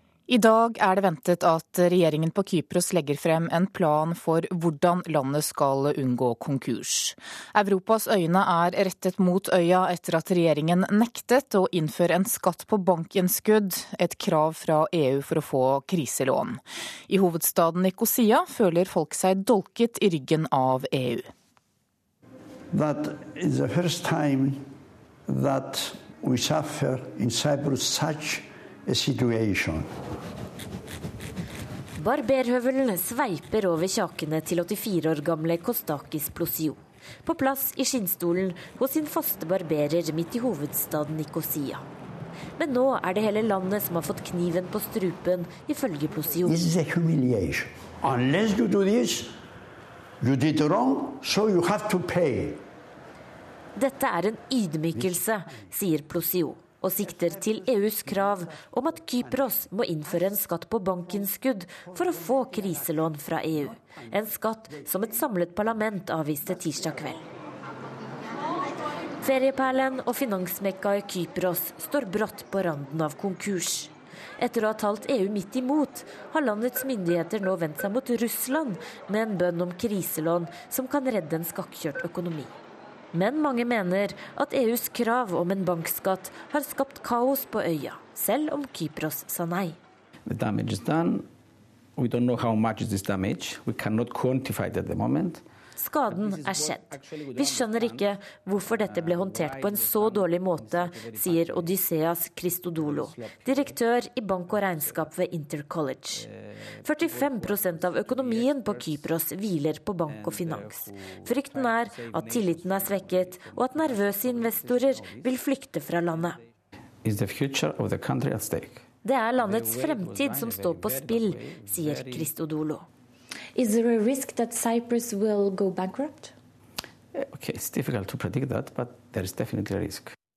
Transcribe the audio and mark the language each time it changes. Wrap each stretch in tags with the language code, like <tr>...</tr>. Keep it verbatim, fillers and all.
<no>I dag er det ventet at regjeringen på Kypros legger frem en plan for hvordan landet skal unngå konkurs. Europas øyne er rettet mot øya etter at regjeringen nektet å innføre en skatt på bankinnskudd, et krav fra E U for å få kriselån. I hovedstaden Nikosia føler folk seg dolket i ryggen av E U.</no> <en>That is the first time that we suffer in Cyprus such situation.</en> <no>Barberhøvelen sveiper over kjakene til åttifire år gamle Kostakis Plosio, på plass i skinnstolen hos sin faste barberer midt i hovedstaden Nikosia. Men nå er det hele landet som har fått kniven på strupen, ifølge Plosio.</no> <en>This is a humiliation. Unless you do this, you did wrong, so you have to pay.</en> <no>Dette er en ydmykelse, sier Plosio, og sikter til E U's krav om at Kypros må innføre en skatt på bankinnskudd for å få kriselån fra E U. En skatt som et samlet parlament avviste tirsdag kveld. Ferieperlen og finansmekka i Kypros står brått på randen av konkurs. Etter å ha talt E U midt imot, har landets myndigheter nå vendt seg mot Russland med en bønn om kriselån som kan redde en skakkjørt økonomi. Men mange mener at E U's krav om en bankskatt har skapt kaos på øya, selv om Kypros sa nei.</no> <en>The damage is done. We don't know how much is this damage. We cannot quantify it at the moment.</en> <no>Skaden er skjedd. Vi skjønner ikke hvorfor dette ble håndtert på en så dårlig måte, sier Odysseas Christodolo, direktør i bank og regnskap ved Intercollege. førtifem prosent av økonomien på Kypros hviler på bank og finans. Frykten er at tilliten er svekket, og at nervøse investorer vil flykte fra landet.</no> <en>Is the future of the country at stake?</en> <no>Det er landets fremtid som står på spill, sier Christodolo.</no> <en>Is there a risk that Cyprus will go bankrupt? Okay, it's difficult to predict that, but there is definitely a risk.</en>